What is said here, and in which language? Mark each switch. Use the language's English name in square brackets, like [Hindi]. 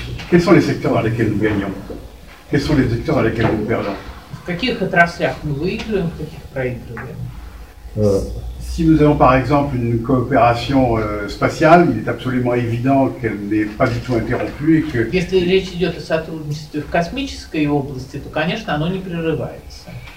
[French] Quels sont les secteurs dans lesquels nous gagnons? Quels sont les secteurs dans lesquels nous perdons? [Russian] В каких отраслях мы выигрываем, в каких проигрываем? [French] Si nous avons par exemple une coopération spatiale, il est absolument évident qu'elle n'est pas du tout interrompue et que. [Russian] Если речь идет о сотрудничестве в космической области, то, конечно, оно не прерывается.